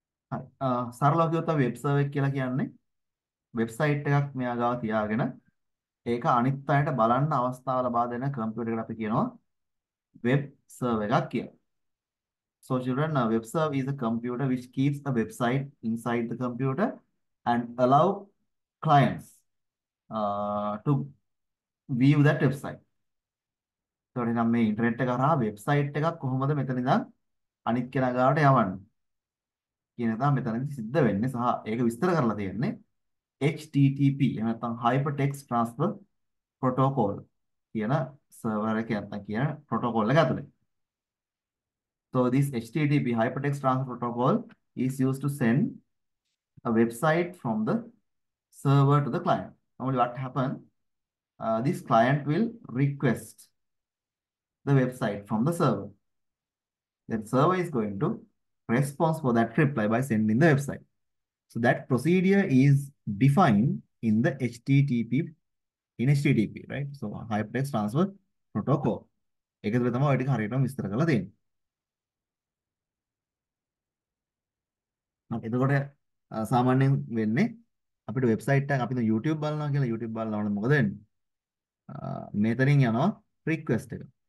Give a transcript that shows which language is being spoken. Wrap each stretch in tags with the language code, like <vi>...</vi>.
<si>සරලව කිව්වොත් web server කියලා කියන්නේ වෙබ්සයිට් එකක් මෙයා ගාව තියාගෙන ඒක අනිත් අයට බලන්න අවස්ථාව ලබා දෙන කම්පියුටර් එකකට අපි කියනවා වෙබ් සර්වර් එකක් කියලා.</si> <en>So children, a web server is a computer which keeps a website inside the computer and allow clients to view that website.</en> <si>එතකොට නම් මේ ඉන්ටර්නෙට් එක හරහා වෙබ්සයිට් එකක් කොහොමද මෙතන ඉඳන් අනිත් කෙනා ගාවට යවන්නේ කියන තමයි මෙතනදී සිද්ධ වෙන්නේ සහ ඒක විස්තර කරලා තියෙන්නේ HTTP එහෙම නැත්නම් Hypertext Transfer Protocol කියන සර්වර් එක යන්න කියන ප්‍රොටෝකෝල් එක ඇතුලේ.</si> <en>So this HTTP Hypertext Transfer Protocol is used to send a website from the server to the client. Normally what happen? This client will request the website from the server. Then server is going to response for that reply by sending the website. So that procedure is defined in the HTTP, in HTTP, right? So Hypertext Transfer Protocol.</en> <si>ඒකද තමයි ඔය ටික හරියටම විස්තර කරලා තියෙන්නේ. එතකොට සාමාන්‍යයෙන් වෙන්නේ අපිට වෙබ්සයිට් එකක් අපි YouTube බලනවා කියලා YouTube බලනකොට මොකද වෙන්නේ? මෙතනින් යනවා request එක.</si>